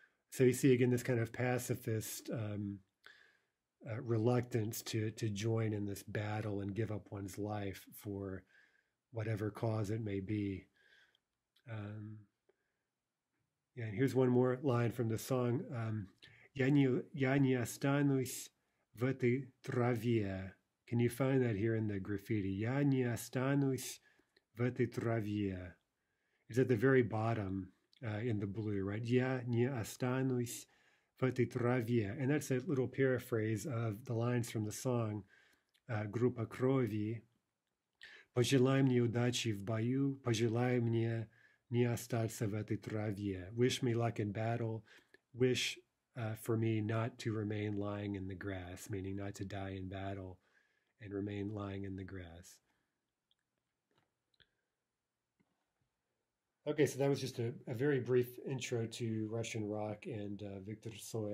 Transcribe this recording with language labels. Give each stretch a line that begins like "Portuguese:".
English: So you see again this kind of pacifist reluctance to join in this battle and give up one's life for whatever cause it may be. And here's one more line from the song.
Russian: Я не останусь в этой траве.
English: Can you find that here in the graffiti?
Russian: Я не останусь в этой траве.
English: It's at the very bottom in the blue, right?
Russian: Я не останусь в этой траве.
English: And that's a little paraphrase of the lines from the song, Группа крови.
Russian: Пожелай мне удачи в бою, пожелай мне не остаться в этой траве.
English: Wish me luck in battle. Wish for me not to remain lying in the grass, meaning not to die in battle and remain lying in the grass. Okay, so that was just a very brief intro to Russian rock and Viktor Tsoi.